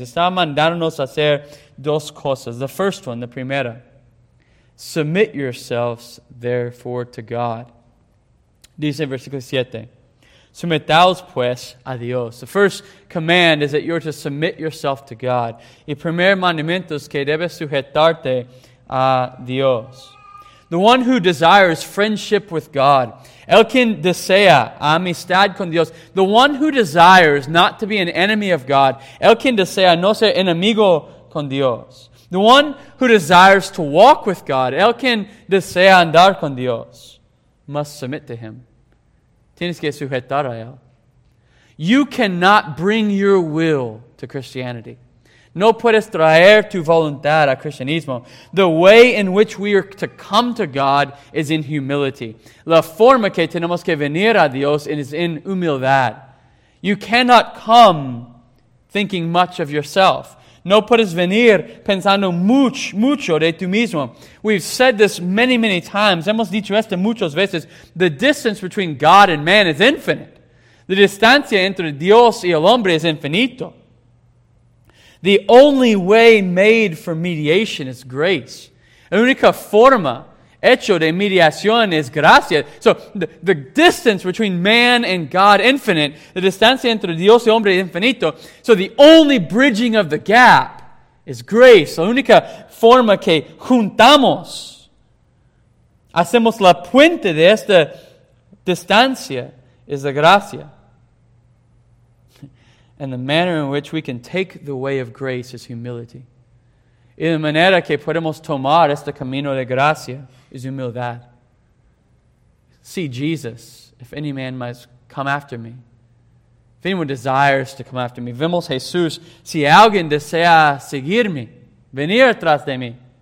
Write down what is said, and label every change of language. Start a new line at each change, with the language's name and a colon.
Spanish: Está mandándonos a hacer dos cosas.
English: The first one,
Spanish: the primera.
English: Submit yourselves, therefore, to God.
Spanish: Dice en versículo 7. Sumetaos pues a Dios.
English: The first command is that you are to submit yourself to God.
Spanish: Y primer mandamiento es que debes sujetarte a Dios.
English: The one who desires friendship with God.
Spanish: El quien desea amistad con Dios.
English: The one who desires not to be an enemy of God.
Spanish: El quien desea no ser enemigo con Dios.
English: The one who desires to walk with God.
Spanish: El quien desea andar con Dios.
English: Must submit to Him.
Spanish: Tienes que sujetar a él.
English: You cannot bring your will to Christianity.
Spanish: No puedes traer tu voluntad a cristianismo.
English: The way in which we are to come to God is in humility.
Spanish: La forma que tenemos que venir a Dios is in humildad.
English: You cannot come thinking much of yourself.
Spanish: No puedes venir pensando mucho de tú mismo.
English: We've said this many, many times.
Spanish: Hemos dicho esto muchas veces.
English: The distance between God and man is infinite.
Spanish: The distancia entre Dios y el hombre es infinito.
English: The only way made for mediation is grace.
Spanish: La única forma hecho de mediación es gracia.
English: So the distance between man and God, infinite.
Spanish: La distancia entre Dios y hombre, infinito.
English: So the only bridging of the gap is grace.
Spanish: La única forma que juntamos, hacemos la puente de esta distancia, es la gracia.
English: And the manner in which we can take the way of grace is humility.
Spanish: Y la manera que podemos tomar este camino de gracia es humildad.
English: See Jesus, if any man must come after me. If anyone desires to come after me.
Spanish: Vemos Jesús, si alguien desea seguirme, venir atrás de mí.